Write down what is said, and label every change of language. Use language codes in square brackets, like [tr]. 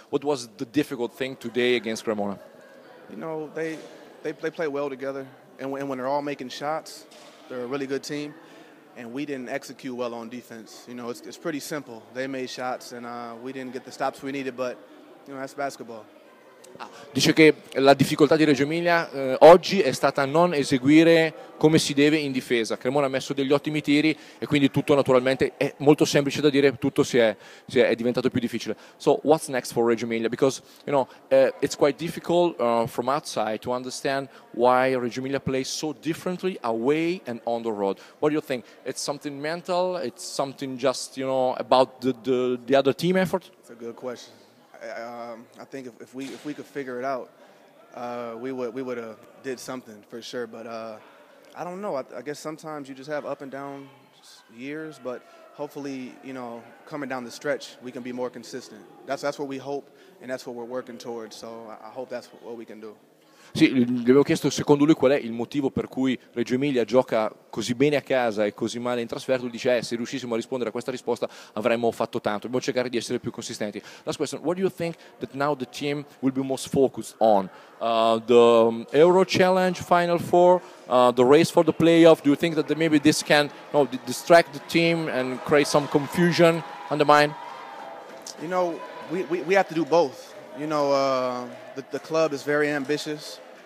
[en] What was the difficult thing today against Cremona? You know, they play well together, and when they're all making shots, they're a really good team, and we didn't execute well on defense. You know, it's pretty simple. They made shots, and we didn't get the stops we needed, but, you know, that's basketball. [it] Dice che la difficoltà di Reggio Emilia oggi è stata non eseguire come si deve in difesa. Cremona ha messo degli ottimi tiri e quindi tutto naturalmente è molto semplice da dire, tutto è diventato più difficile. [en] So what's next for Reggio Emilia? Because, you know, it's quite difficult from outside to understand why Reggio Emilia plays so differently away and on the road. What do you think? It's something mental? It's something just, you know, about the other team effort? It's a good question. I think if we could figure it out, we would have did something for sure. But I don't know. I guess sometimes you just have up and down years. But hopefully, you know, coming down the stretch, we can be more consistent. That's what we hope, and that's what we're working towards. So I hope that's what we can do. [it] Sì, gli avevo chiesto secondo lui qual è il motivo per cui Reggio Emilia gioca così bene a casa e così male in trasferta. Lui dice, se riuscissimo a rispondere a questa risposta avremmo fatto tanto. Dobbiamo cercare di essere più consistenti. [en] Last question, what do you think that now the team will be most focused on? The Euro Challenge Final Four, the race for the playoff. Do you think that maybe this can, you know, distract the team and create some confusion on the mind? You know, we have to do both. You know, the club is very ambitious.